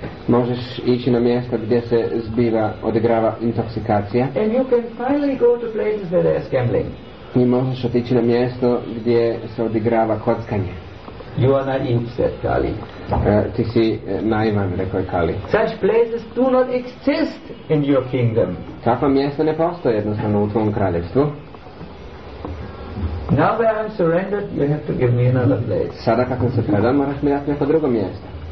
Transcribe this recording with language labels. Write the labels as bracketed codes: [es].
[hr] Možeš ići na mjesto gdje se zbiva odigrava intoksikacija. [en] And you can finally go to places where there is gambling. [hr] I možeš otići na mjesto gdje se odigrava kockanje. [en] You are naive, said Kali. [hr] Ti si naivan, rekao je Kali. [en] Such places do not exist in your kingdom. [hr] Takva mjesta ne postoje jednostavno u tvom kraljevstvu. [en] Now that I am surrendered, you have to give me another place. [hr] Sada kako se predam, moraš mi dati neko drugo mjesto.